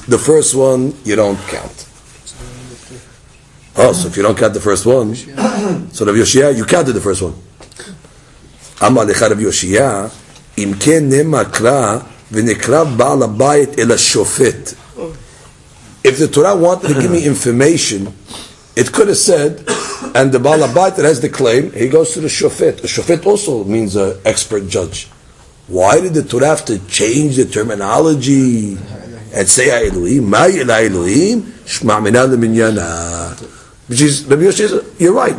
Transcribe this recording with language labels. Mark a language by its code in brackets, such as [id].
[en] The first one, you don't count. Oh, so if you don't count the first one, so Rav Yoshiya, you counted the first one. [he] Amma lecha Rav Yoshiya, אם כן נמקרא ונקרא בעל הבית אל השופט. [en] If the Torah wanted to give me information, it could have said, and the בעל הבית that has the claim, he goes to the שופט. A שופט also means an expert judge. Why did the Torah have to change the terminology and say האלוהים? [he] מהי אל האלוהים? שמאמינה למניינה. [en] Which is, Rabbi Yoshe says, you're right.